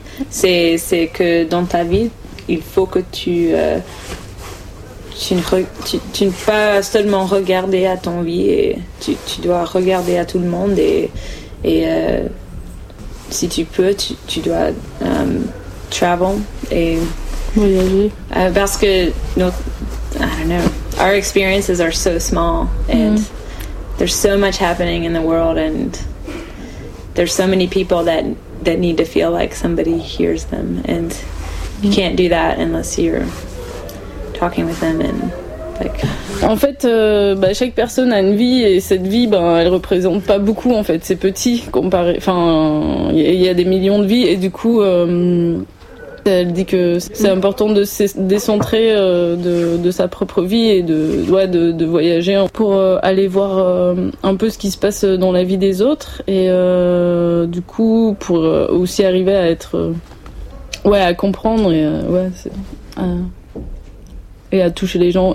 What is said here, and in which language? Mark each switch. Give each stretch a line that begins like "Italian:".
French: C'est que dans ta vie il faut que tu ne pas seulement regarder à ton vie, et tu dois regarder à tout le monde, et si tu peux, tu dois
English: travel
French: et voyager. Parce que
English: I don't know, our experiences are so small and there's so much happening in the world and there's so many people that need to feel like somebody hears them, and you can't do that unless you're talking with them and like.
French: En fait, chaque personne a une vie, et cette vie, elle représente pas beaucoup, en fait. C'est petit comparé. Enfin, il y a des millions de vies, et du coup, elle dit que c'est important de se décentrer de sa propre vie et de voyager pour aller voir un peu ce qui se passe dans la vie des autres, et du coup, pour aussi arriver à être, à comprendre et et à toucher les gens.